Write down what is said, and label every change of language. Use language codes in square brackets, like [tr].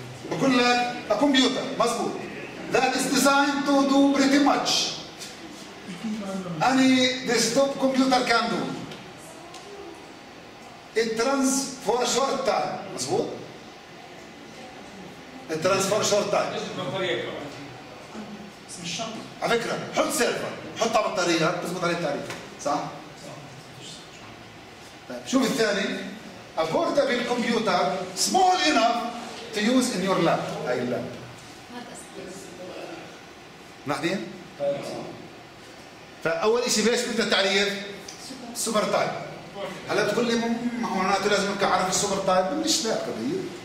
[ar] بقول لك [en] a computer [ar] مظبوط. [en] That is designed to do pretty much. Any desktop computer can do. It runs for a short time. [ar] مزبوط? [en] It runs for a short time. [ar] على فكرة حط سيرفر حط على بطارية تزبط عليه التعريف صح؟ طيب شوف الثاني. [en] A portable computer small enough to use in your lab. [ar] هاي اللاب. ناخذين؟ فأول إشي بلاش بدنا تعريف سوبر تايب هلا تقول لي معناته لازم أعرف السوبر تايب مش ذات قضية